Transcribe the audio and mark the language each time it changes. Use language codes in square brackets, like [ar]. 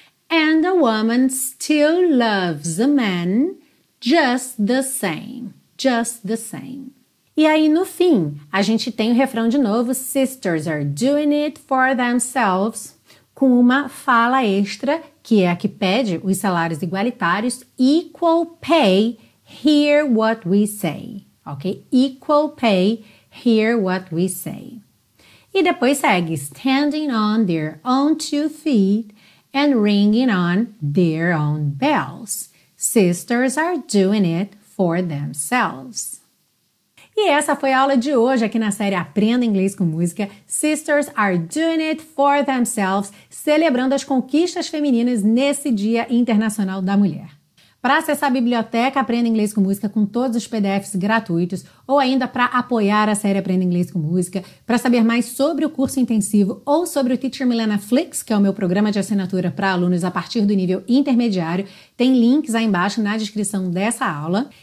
[en] And a woman still loves a man just the same. Just the same. [pt] E aí, no fim, a gente tem o refrão de novo. [en] Sisters are doing it for themselves. [pt] Com uma fala extra, que é a que pede os salários igualitários. [en] Equal pay, hear what we say. Ok? Equal pay, hear what we say. [pt] E depois segue, [en] standing on their own two feet and ringing on their own bells. Sisters are doing it for themselves. [pt] E essa foi a aula de hoje aqui na série Aprenda Inglês com Música. [en] Sisters are doing it for themselves, [pt] celebrando as conquistas femininas nesse Dia Internacional da Mulher. Para acessar a biblioteca Aprenda Inglês com Música com todos os PDFs gratuitos ou ainda para apoiar a série Aprenda Inglês com Música, para saber mais sobre o curso intensivo ou sobre o Teacher Milena Flix, que é o meu programa de assinatura para alunos a partir do nível intermediário, tem links aí embaixo na descrição dessa aula.